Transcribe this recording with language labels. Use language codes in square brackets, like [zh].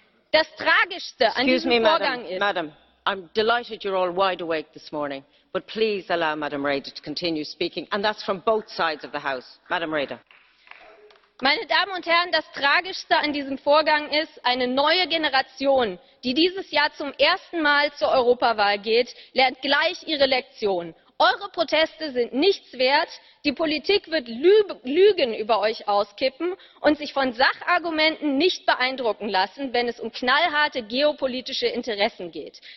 [de] Das Tragischste an diesem Vorgang ist. [en] Madam, I'm delighted you're all wide awake this morning. But please allow Madam Rader to continue speaking. And that's from both sides of the House. Madam Rader. [de] Meine Damen und Herren, das Tragischste an diesem Vorgang ist, eine neue Generation, die dieses Jahr zum ersten Mal zur Europawahl geht, lernt gleich ihre Lektion. Eure Proteste sind nichts wert. Die Politik wird Lügen über euch auskippen und sich von Sachargumenten nicht beeindrucken lassen, wenn es um knallharte geopolitische Interessen geht.